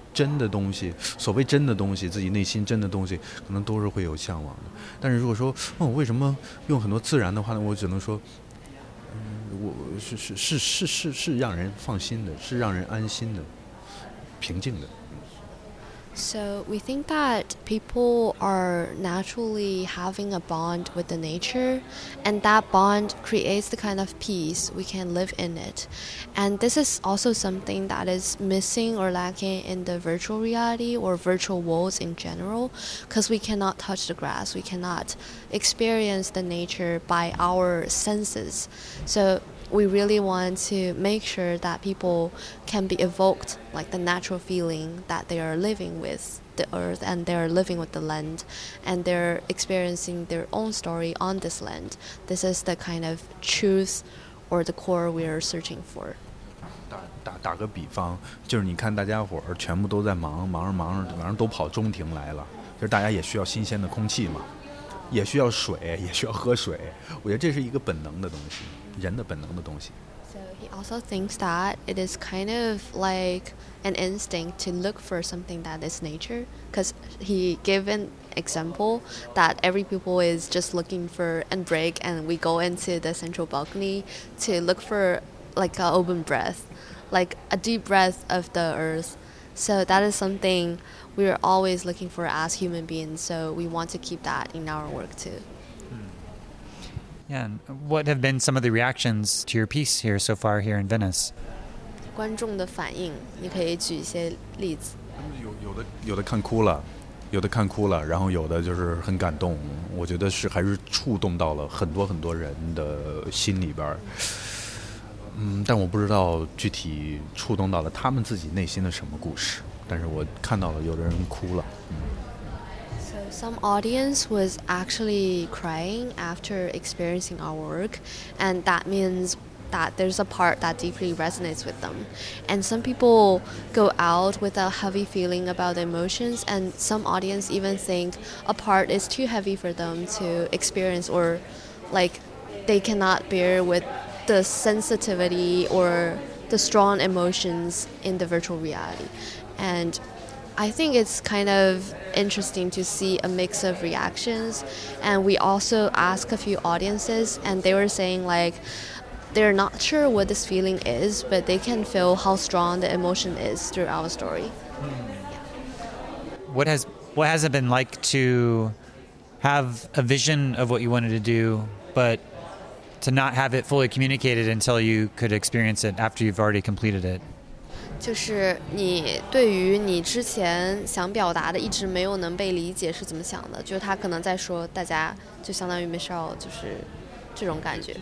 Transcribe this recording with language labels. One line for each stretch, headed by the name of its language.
Chinese: 真的东西，所谓真的东西，自己内心真的东西，可能都是会有向往的。但是如果说我为什么用很多自然的话呢，我只能说我是让人放心的，是让人安心的，平静的。
English: So we think that people are naturally having a bond with the nature, and that bond creates the kind of peace we can live in it. And this is also something that is missing or lacking in the virtual reality or virtual worlds in general, because we cannot touch the grass, we cannot experience the nature by our senses. So we really want to make sure that people can be evoked like the natural feeling that they are living with the earth and they're living with the land and they're experiencing their own story on this land. This is the kind of truth or the core we are searching for.
Chinese: 打个比方，就是你看大家伙儿全部都在忙着，反正都跑中庭来了，就是大家也需要新鲜的空气嘛，也需要水，也需要喝水。我觉得这是一个本能的东西，人的本能的东西。
English: So he also thinks that it is kind of like an instinct to look for something that is nature, because he gave an example that every people is just looking for a break and we go into the central balcony to look for like an open breath, like a deep breath of the earth. So that is something we are always looking for as human beings, so we want to keep that in our work too. Yeah, and what have been some of the reactions to your piece here so far here in Venice?
Chinese: 观众的反应，你可以举一些例子。有的看哭了，有的看哭了，然后有的就是很感动。我觉得是还是触动到了很多很多人的心里边。但我不知道具体触动到了他们自己内心的什么故事。但是我看到了有的人哭了。
English: Some audience was actually crying after experiencing our work, and that means that there's a part that deeply resonates with them. And some people go out with a heavy feeling about the emotions, and some audience even think a part is too heavy for them to experience or like they cannot bear with the sensitivity or the strong emotions in the virtual reality. And I think it's kind of interesting to see a mix of reactions. And we also asked a few audiences, and they were saying like, they're not sure what this feeling is, but they can feel how strong the emotion is through our story. What has it been like to have a vision of what you wanted to do, but to not have it fully communicated until you could experience it after you've already completed it?
Chinese: 就是你对于你之前想表达的一直没有能被理解是怎么想的，就是他可能在说大家就相当于 Michelle 就是这种感觉。